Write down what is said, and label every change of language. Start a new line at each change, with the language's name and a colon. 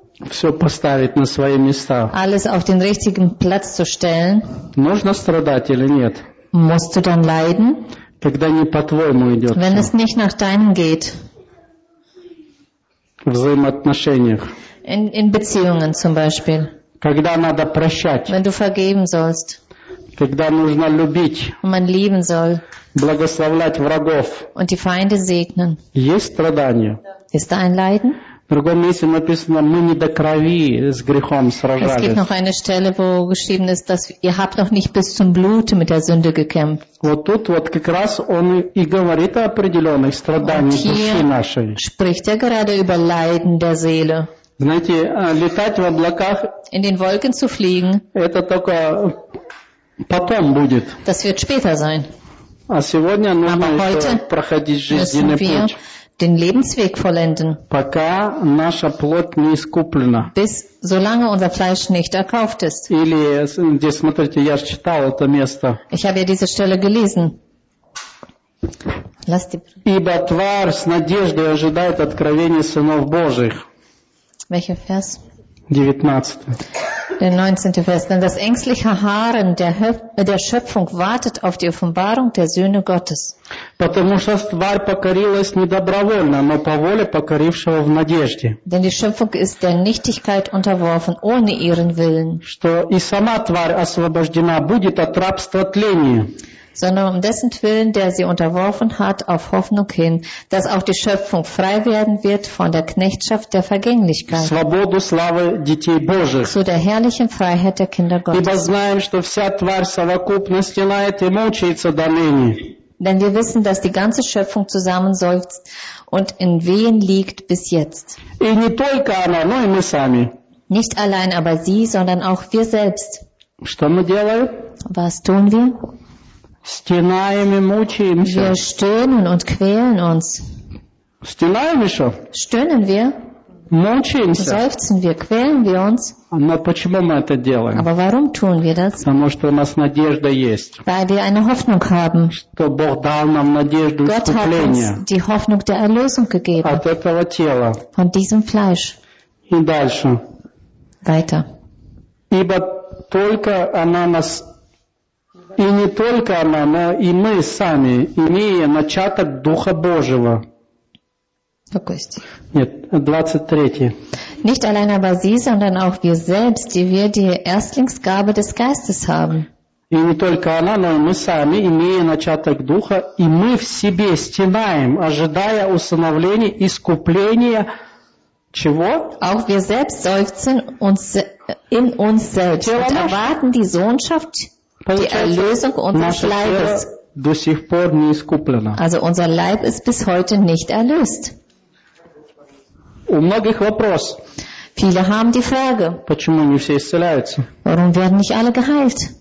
Russian: Все поставить на свои места.
German: Alles auf den richtigen Platz zu stellen.
Russian: Можно страдать или нет?
German: Musst du dann leiden?
Russian: Когда не по-твоему идет.
German: Wenn es nicht nach deinem geht.
Russian: В взаимоотношениях.
German: In Beziehungen zum Beispiel.
Russian: Когда надо прощать.
German: Wenn du vergeben sollst.
Russian: Когда нужно любить.
German: Und man lieben soll.
Russian: Благословлять врагов.
German: Und die Feinde segnen.
Russian: Есть страдания?
German: Ist da ein Leiden?
Russian: В другом месте написано, мы не до крови с грехом сражались.
German: Es gibt noch eine Stelle, wo geschrieben ist, dass ihr habt noch nicht bis zum Blut mit der Sünde gekämpft.
Russian: Вот тут вот как раз он и говорит о определенных страданиях души нашей.
German: Spricht er gerade über Leiden der Seele.
Russian: Знаете, летать в облаках,
German: in den Wolken zu fliegen,
Russian: это только потом будет.
German: Das wird später sein.
Russian: А сегодня нужно еще проходить жизненный путь.
German: Den Lebensweg vollenden.
Russian: Пока наша плоть не искуплена.
German: Bis solange unser Fleisch nicht erkauft ist.
Russian: Или, смотрите, я же читал это место.
German: Ich habe ja diese Stelle gelesen.
Russian: Ибо тварь с надеждой ожидает откровения сынов Божьих.
German: Welcher Vers?
Russian: 19.
German: Der 19. Vers. Denn das ängstliche Harren der Schöpfung wartet auf die Offenbarung der Söhne Gottes.
Russian: Потому что тварь покорилась не добровольно, но по воле покорившего в надежде.
German: Denn die Schöpfung ist der Nichtigkeit unterworfen, ohne ihren Willen.
Russian: Что и сама тварь освобождена будет от рабства тления.
German: Sondern um dessen Willen, der sie unterworfen hat, auf Hoffnung hin, dass auch die Schöpfung frei werden wird von der Knechtschaft der Vergänglichkeit.
Russian: Свободу славы детей Божьих.
German: Zu der herrlichen Freiheit der Kinder Gottes.
Russian: Ибо знаем, что вся тварь совокупно стенает и мучается до ныне.
German: Denn wir wissen, dass die ganze Schöpfung zusammen seufzt und in Wehen liegt bis jetzt.
Russian: И не только она, но и мы сами.
German: Nicht allein aber sie, sondern auch wir selbst.
Russian: Что мы делаем?
German: Was tun wir?
Russian: Стенаем и мучаемся.
German: Wir stöhnen und quälen uns.
Russian: Стенаем еще?
German: Stöhnen wir?
Russian: Мучаемся.
German: Seufzen wir, quälen wir uns.
Russian: Но почему мы это делаем?
German: Aber warum tun wir das?
Russian: Потому что у нас надежда есть.
German: Weil wir eine Hoffnung haben.
Russian: Что Бог дал нам надежду искупления.
German: Gott hat uns die Hoffnung der Erlösung gegeben.
Russian: От этого тела.
German: Von diesem Fleisch.
Russian: И дальше.
German: Weiter.
Russian: Ибо только она нас и не только она, но и мы сами, имея начаток Духа Божьего. Какой стих? Нет, 23.
German: Nicht allein aber sie, sondern auch wir selbst, die wir die Erstlingsgabe des Geistes haben.
Russian: И не только она, но и мы сами, имея начаток Духа, и мы в себе стенаем, ожидая усыновления, искупления. Чего?
German: Auch wir selbst seufzen in uns selbst und erwarten die Sohnschaft. Die Erlösung unseres Leibes. Also unser Leib ist bis heute nicht erlöst. Viele haben die Frage, warum werden nicht alle geheilt?